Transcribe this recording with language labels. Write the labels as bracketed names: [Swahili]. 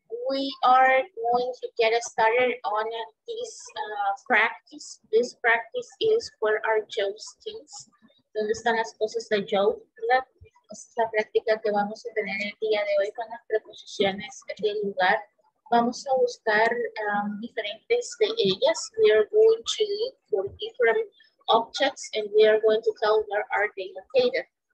[English] We are going to get started on this practice. This practice is where are Joe's things. [Spanish] ¿Dónde están las cosas de Joe? Esta es la práctica que vamos a tener el día de hoy con las preposiciones del lugar. Vamos a buscar diferentes de ellas. [English] We are going to look for different objects and we are going to tell where are they located.